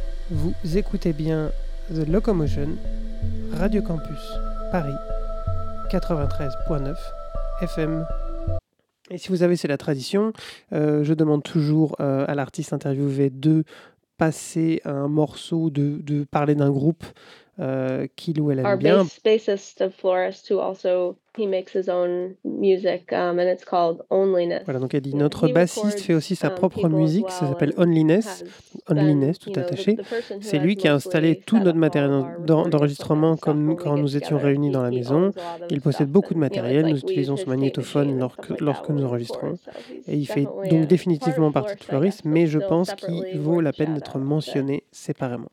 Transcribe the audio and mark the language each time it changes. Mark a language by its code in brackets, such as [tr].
[fr] Vous écoutez bien The Locomotion, Radio Campus, Paris, 93.9 FM. Et si vous avez, c'est la tradition, je demande toujours à l'artiste interviewé de passer un morceau, de parler d'un groupe qu'il ou elle aime bien. [en] Our bassist of Florist, who also he makes his own music, and it's called Onlyness. [fr] Voilà, donc elle dit notre bassiste fait aussi sa propre musique, ça s'appelle Onlyness, Onlyness, tout attaché. C'est lui qui a installé tout notre matériel d'enregistrement comme quand nous étions réunis dans la maison. Il possède beaucoup de matériel, nous utilisons son magnétophone lorsque nous enregistrons, et il fait donc définitivement partie de Florist, mais je pense qu'il vaut la peine d'être mentionné séparément.